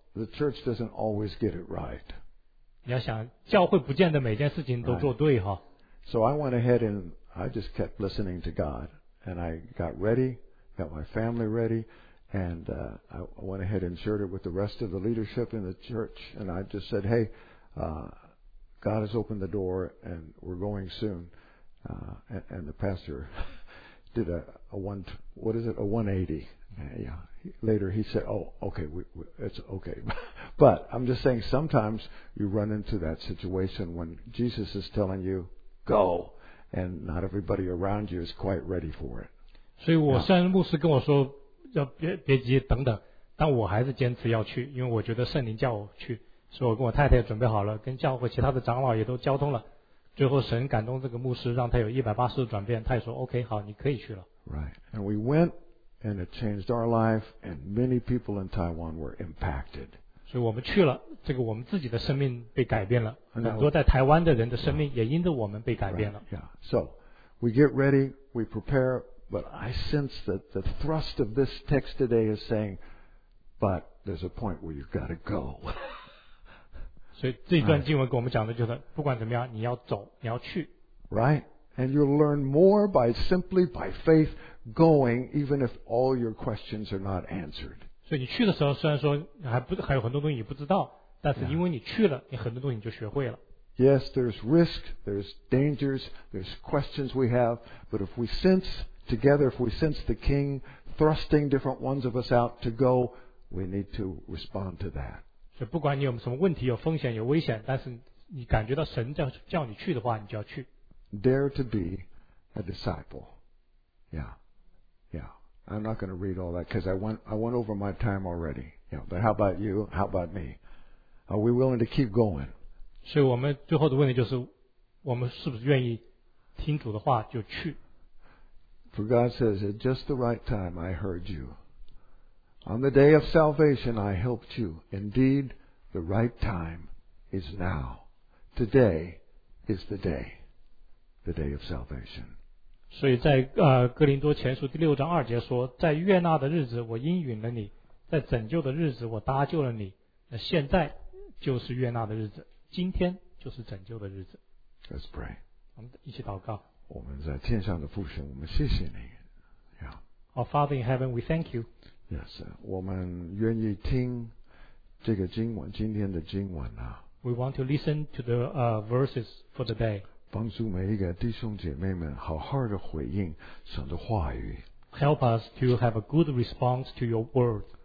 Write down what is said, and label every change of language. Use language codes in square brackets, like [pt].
[en] The church doesn't always get it right. [zh] 你要想，教会不见得每件事情都做对哈。 [en] So I went ahead and I just kept listening to God. And I got ready, got my family ready, and I went ahead and shared it with the rest of the leadership in the church. And I just said, hey, God has opened the door and we're going soon. And the pastor... did a 180. Yeah. Later he said, oh, okay, it's okay. But I'm just saying sometimes you run into that situation when Jesus is telling you, go, and not everybody around you is quite ready for it. [zh] 所以我虽然牧师跟我说要 别急等等，但我还是坚持要去，因为我觉得圣灵叫我去，所以我跟我太太准备好了，跟教会其他的长老也都交通了。最后神感动这个牧师，让他有180度转变，他也说 OK 好，你可以去了。 [en] Right. And we went and it changed our life and many people in Taiwan were impacted. [zh] 所以我们去了，这个我们自己的生命被改变了，很多在台湾的人的生命也因着我们被改变了。 [en] Right. Yeah. So we get ready, we prepare, but I sense that the thrust of this text today is saying, but there's a point where you've got to go. [zh] 所以这一段经文给我们讲的就是，不管怎么样，你要走，你要去。 [en] Right, and you'll learn more by simply by faith going, even if all your questions are not answered. [zh] 所以你去的时候，虽然说还有很多东西你不知道，但是因为你去了，你很多东西你就学会了。 [en] Yes, there's risk, there's dangers, there's questions we have, but if we sense together, if we sense the King thrusting different ones of us out to go, we need to respond to that. [zh] 不管你有什么问题，有风险，有危险，但是你感觉到神叫你去的话，你就要去。 [en] Dare to be a disciple. Yeah. Yeah. I'm not going to read all that because I went over my time already. Yeah. But how about you? How about me? Are we willing to keep going? [zh] 所以我们最后的问题就是，我们是不是愿意听主的话就去？ [en] For God says, at just the right time, I heard you. On the day of salvation, I helped you. Indeed, the right time is now. Today is the day of salvation. [zh] 所以在哥林多前书第六章二节说，在悦纳的日子我应允了你，在拯救的日子我搭救了你，那现在就是悦纳的日子，今天就是拯救的日子。 [en] Let's pray. [zh] 我们一起祷告。我们在天上的父神，我们谢谢你。 [en] Our Father in heaven, we thank you. [zh] Yes, 我们愿意听这个经文，今天的经文啊。 [en] We want to listen to the verses for the day. [zh] 帮助每一个弟兄姐妹们好好的回应神的话语。 [en] Help us to have a good response to your word.